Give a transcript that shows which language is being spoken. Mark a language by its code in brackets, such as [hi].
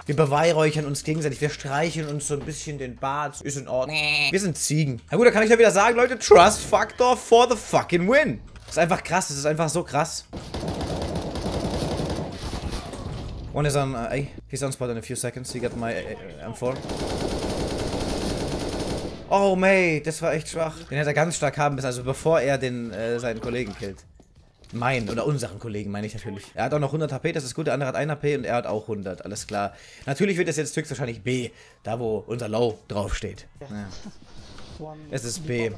[de] Wir beweihräuchern uns gegenseitig. Wir streicheln uns so ein bisschen den Bart. Ist in Ordnung. Wir sind Ziegen. Na gut, da kann ich ja wieder sagen, Leute. [en] Trust Factor for the fucking win. [de] Das ist einfach krass. Das ist einfach so krass. [en] One is on A. He's on spot in a few seconds. He got my M4. Oh, mate. [de] Das war echt schwach. Den hätte er ganz stark haben müssen. Also bevor er den seinen Kollegen killt. Meinen oder unseren Kollegen, meine ich natürlich. Er hat auch noch 100 HP, das ist gut. Der andere hat 1 HP und er hat auch 100. Alles klar. Natürlich wird es jetzt höchstwahrscheinlich B, da wo unser Low draufsteht. Ja. Es ist B.